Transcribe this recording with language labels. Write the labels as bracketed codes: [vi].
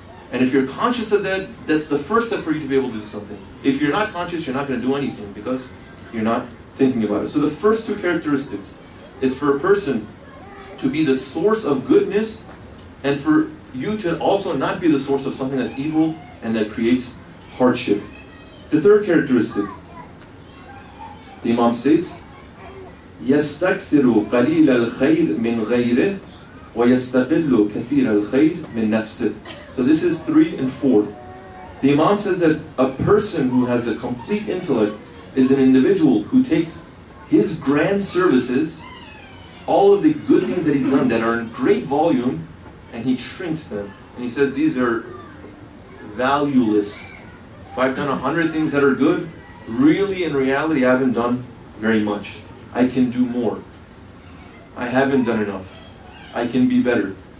[en] And if you're conscious of that, that's the first step for you to be able to do something. If you're not conscious, you're not going to do anything, because you're not thinking about it. So the first two characteristics is for a person to be the source of goodness, and for you to also not be the source of something that's evil and that creates hardship. The third characteristic, the Imam states, [ar] يَسْتَكْثِرُ قَلِيلَ الْخَيْرِ مِنْ غَيْرِهِ وَيَسْتَقِلُّ كَثِيرَ الْخَيْرِ مِنْ نَفْسِهِ. [en] So this is 3 and 4. The Imam says that a person who has a complete intellect is an individual who takes his grand services, all of the good things that he's done that are in great volume, and he shrinks them. And he says these are valueless. If I've done 100 things that are good, really in reality I haven't done very much. I can do more. I haven't done enough. I can be better.